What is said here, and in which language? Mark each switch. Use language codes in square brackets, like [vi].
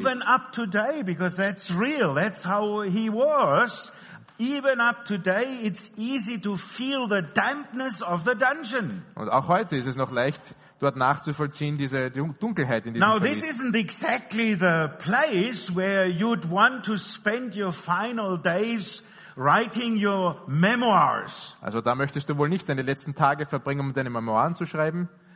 [en] Even up today, because that's real, that's how he was. Even up today, it's easy to feel the dampness of the dungeon. [de] Und auch heute ist es noch leicht, dort nachzuvollziehen, diese Dunkelheit in diesem [en] Now, [de] Verlies. [en] Now, this isn't exactly the place where you'd want to spend your final days writing your memoirs. [de] Also da möchtest du wohl nicht deine letzten Tage verbringen, um deine Memoiren zu schreiben.